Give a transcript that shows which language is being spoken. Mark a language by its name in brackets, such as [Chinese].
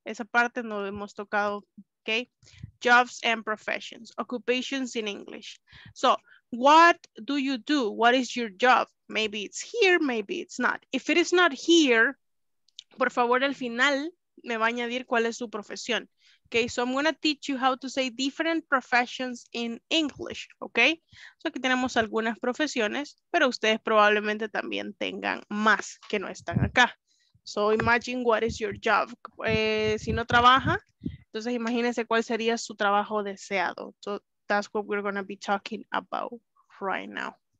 [Spanish] Esa parte no hemos tocado. [English] Okay, jobs and professions, occupations in English. So what do you do? What is your job? Maybe it's here, maybe it's not. If it is not here, [Spanish] por favor, al final me va a añadir cuál es su profesión. [English] Okay, so I'm going to teach you how to say different professions in English. [Spanish] Okay, so aquí tenemos algunas profesiones, pero ustedes probablemente también tengan más que no están acá. [English] So imagine what is your job. [Spanish] Si no trabaja, entonces imagínense cuál sería su trabajo deseado. [English] So that's what we're going to be talking about right now.